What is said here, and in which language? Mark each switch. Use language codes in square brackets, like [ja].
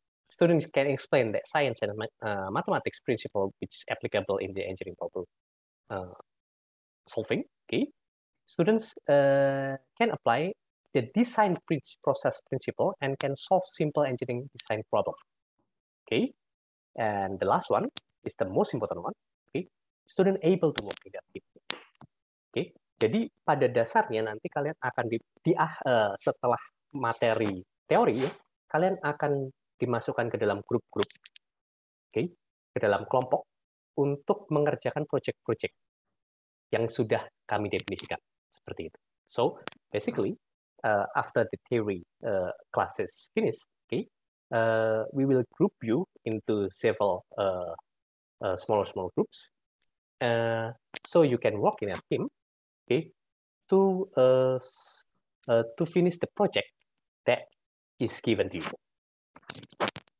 [en] Students can explain that science and mathematics principle which is applicable in the engineering problem solving. Okay. Students can apply the design process principle and can solve simple engineering design problem. Okay. And the last one is the most important one. Okay. Student able to work in that team. Okay. [id] Jadi pada dasarnya nanti kalian akan setelah materi teori ya, kalian akan dimasukkan ke dalam grup-grup, okay, ke dalam kelompok untuk mengerjakan proyek-proyek yang sudah kami definisikan seperti itu. [en] So basically after the theory classes finish, okay, we will group you into several smaller groups, so you can work in a team. Okay, to finish the project that is given to you.